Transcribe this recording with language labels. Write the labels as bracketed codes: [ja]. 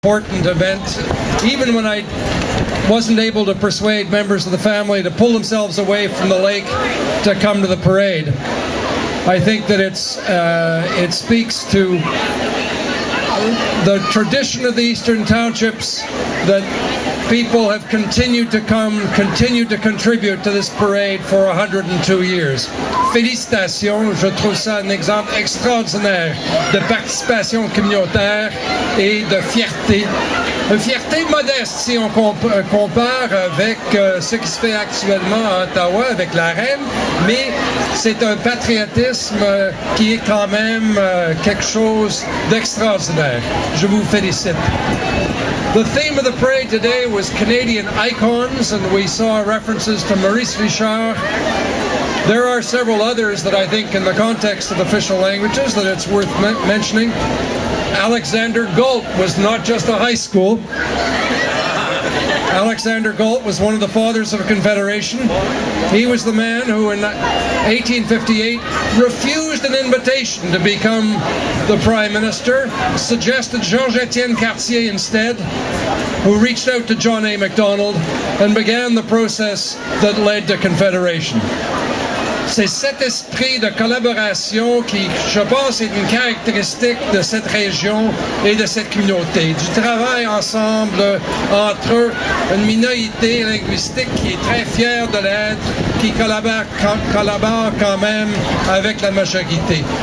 [en] important event, even when I wasn't able to persuade members of the family to pull themselves away from the lake to come to the parade. I think that it speaks to the tradition of the Eastern Townships that people have continued to come, continued to contribute to this parade for 102 years. [fr] Félicitations, je trouve ça un exemple extraordinaire de participation communautaire et de fierté. Une fierté modeste si on compare avec ce qui se fait actuellement à Ottawa avec la reine, mais c'est un patriotisme qui est quand même quelque chose d'extraordinaire. Je vous félicite. [en] The theme of the parade today was Canadian icons, and we saw references to Maurice Richard. There are several others that I think in the context of official languages that it's worth mentioning. Alexander Galt was not just a high school. Alexander Galt was one of the fathers of a confederation. He was the man who in 1858 refused an invitation to become the prime minister, suggested Jean-Étienne Cartier instead, who reached out to John A. Macdonald and began the process that led to confederation. [fr] C'est cet esprit de collaboration qui, je pense, est une caractéristique de cette région et de cette communauté. Du travail ensemble entre eux, une minorité linguistique qui est très fière de l'être, qui collabore quand même avec la majorité.